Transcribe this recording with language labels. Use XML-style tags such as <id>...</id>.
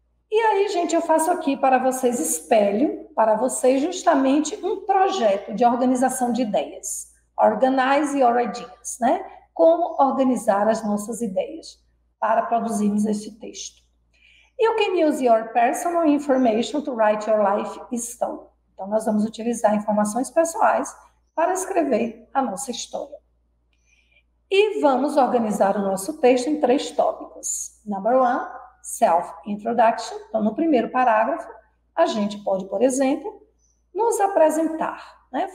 <pt>E aí, gente, eu faço aqui para vocês, espelho para vocês justamente um projeto de organização de ideias.</pt> <en>Organize your ideas,</en> <pt>né? Como organizar as nossas ideias para produzirmos este texto.</pt> <en>You can use your personal information to write your life story.</en> <pt>Então, nós vamos utilizar informações pessoais para escrever a nossa história. E vamos organizar o nosso texto em três tópicos.</pt> <en>Number one, self-introduction.</en> <pt>Então, no primeiro parágrafo, a gente pode, por exemplo, nos apresentar, né?</pt>